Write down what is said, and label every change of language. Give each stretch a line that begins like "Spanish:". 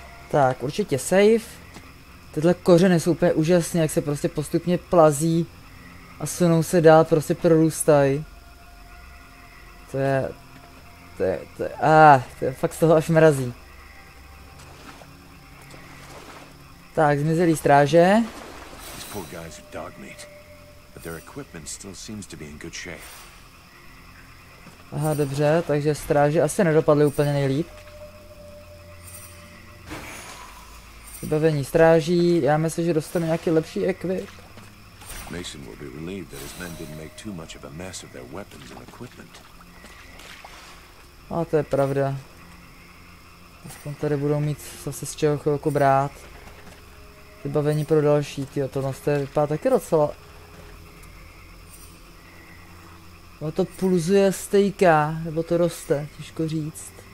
Czech: Tak, určitě safe. Tyhle kořeny jsou úplně úžasné, jak se prostě postupně plazí a sunou se dál, prostě prorůstají. To je fakt z toho až mrazí. Tak, zmizelý stráže.
English: These poor guys are dog meat, but their equipment still seems to be in good shape.
Czech: Aha, dobře, takže stráže asi nedopadly úplně nejlíp. Vybavení stráží, já myslím, že dostanu nějaký lepší equip.
English: Mason will be relieved that his men didn't make too much of a mess of their weapons and equipment.
Czech: A to je pravda. Aspoň tady budou mít zase z čeho chvilku brát. Vybavení pro další, tyjo, to nás tady vypadá taky docela. No to pulzuje stejka, nebo to roste, těžko říct.